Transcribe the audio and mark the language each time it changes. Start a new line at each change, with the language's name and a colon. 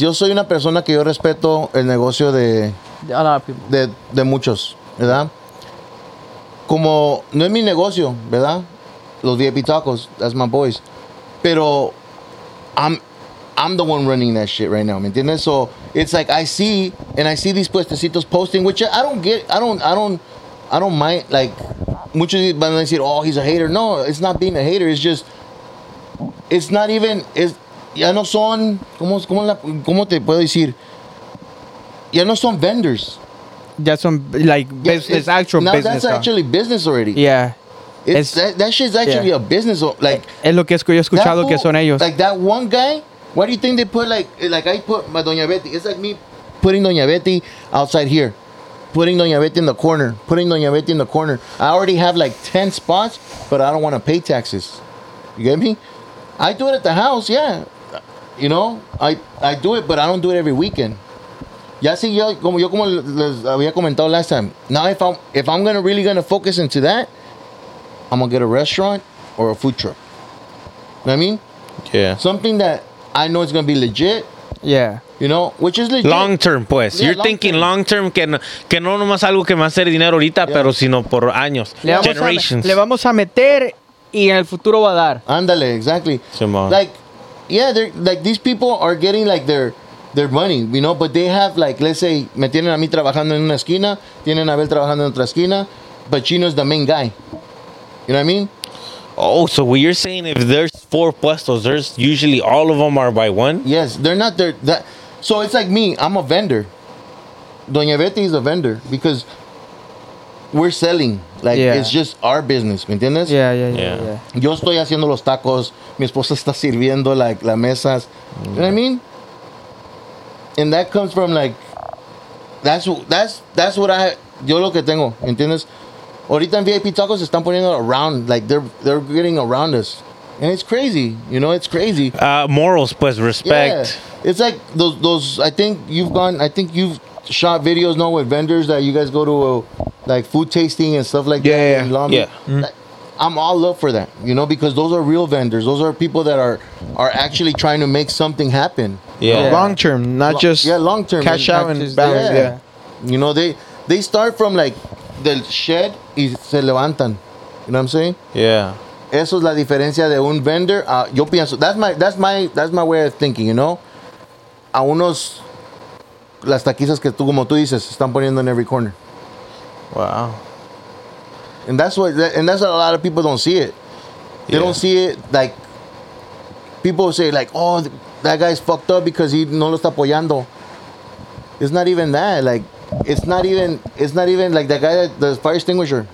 Spanish: Yo soy una persona que yo respeto el negocio de...
English: A lot of people.
Spanish: De muchos, ¿verdad? Como no es mi negocio, ¿verdad?
English: Los VIP tacos, that's my boys. Pero I'm the one running that shit right now,
Spanish: ¿me entiendes?
English: So it's like I see these puestecitos posting, which I don't mind, like,
Spanish: muchos van a decir,
English: oh, he's a hater. No, it's not being a hater, it's just, it's not even, it's,
Spanish: ya no son, ¿cómo te puedo decir? Ya no son vendors. Ya son,
English: like, business, yeah, actual now business. Now that's actually business already. Yeah. That shit's actually a business. Like,
Spanish: es lo que yo he escuchado que son ellos.
English: Like that one guy, why do you think they put like I put my Doña Betty? It's like me putting Doña Betty outside here, putting Doña Betty in the corner, I already have like 10 spots, but I don't want to pay taxes. You get me? I do it at the house, yeah. You know, I do it, but I don't do it every weekend.
Spanish: ya siguió, como yo como les había comentado
English: last time. Now if I'm gonna really gonna focus into that, I'm gonna get a restaurant or a food truck. You know what I mean? Yeah. Something that I know is gonna be legit. Yeah. You know, which is legit. Long term, pues. Yeah, you're long thinking term. Long term,
Spanish: que no nomás algo que me va a hacer dinero ahorita, yeah. Pero sino por años.
English: Le generations.
Spanish: Le vamos a meter y en el futuro va a dar. Ándale, exactly. Simón.
English: Like, yeah, they're like these people are getting like their money, you know, but they have like, let's say,
Spanish: me tienen a mí trabajando en una esquina, tienen a Abel trabajando en otra esquina,
English: but Chino's the main guy. You know what I mean? Oh, so what you're saying, if there's four puestos, there's usually all of them are by one? Yes, they're not there. That, so it's like me, I'm a vendor. Doña Betty is a vendor because we're selling. Like, yeah. It's just our business, ¿me entiendes? Yeah, yeah, yeah, yeah, yeah.
Spanish: Yo estoy haciendo los tacos, mi esposa está sirviendo like las mesas.
English: Yeah. You know what I mean? And that comes from like, that's what I,
Spanish: yo lo que tengo, ¿entiendes? Ahorita en VIP Tacos se están poniendo
English: around, like they're getting around us. And it's crazy, you know, it's crazy. Morals, pues, respect. Yeah. It's like those, I think you've shot videos, no, with vendors that you guys go to, like food tasting and stuff like yeah, that. Yeah, and yeah. Yeah. Mm-hmm. Like, I'm all up for that, you know, because those are real vendors. Those are people that are actually trying to make something happen. Yeah. Yeah. Long term, not just yeah, long term cash out and balance. Yeah. Yeah. You know, they start from like the shed
Spanish: y se levantan.
English: You know what I'm saying? Yeah.
Spanish: Eso es la diferencia de un vendor.
English: Yo pienso, that's my way of thinking, you know.
Spanish: A unos las taquizas que tú como tú dices están poniendo en
English: every corner. Wow. And that's what, a lot of people don't see it. They yeah. don't see it, like, people say, like, oh, that guy's fucked up because he
Spanish: no lo está apoyando.
English: It's not even that, like, it's not even, like, the guy, the fire extinguisher.